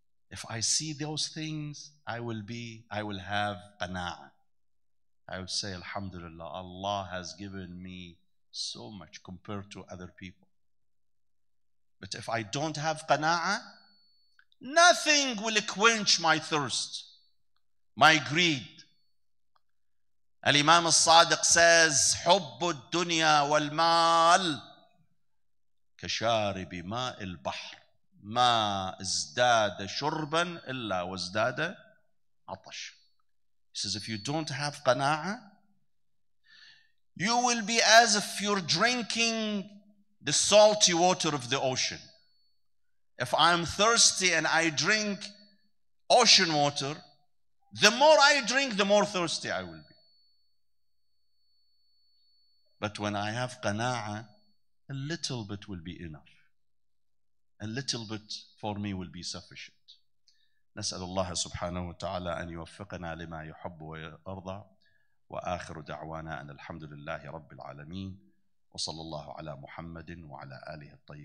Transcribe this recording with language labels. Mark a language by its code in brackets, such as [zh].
[en] If I see those things, I will have qana'ah. I will say, alhamdulillah, Allah has given me so much compared to other people. But if I don't have qana'ah, nothing will quench my thirst, my greed. [ar] Al-Imam al-Sadiq says, حُبُّ الدُّنْيَا وَالْمَالِ كَشَارِبِ مَاءِ الْبَحْرِ مَا ازْدَادَ شُرْبًا إِلَّا وَازْدَادَ عَطَشًا. [en] He says, if you don't have qana'ah, You will be as if you're drinking the salty water of the ocean. If I'm thirsty and I drink ocean water, the more I drink, the more thirsty I will be. But when I have qana'a, a little bit will be enough. A little bit for me will be sufficient. [ar] نسأل الله سبحانه وتعالى أن يوفقنا لما يحب ويرضى وآخر دعوانا أن الحمد لله رب العالمين وصلى الله على محمد وعلى آله الطيبين.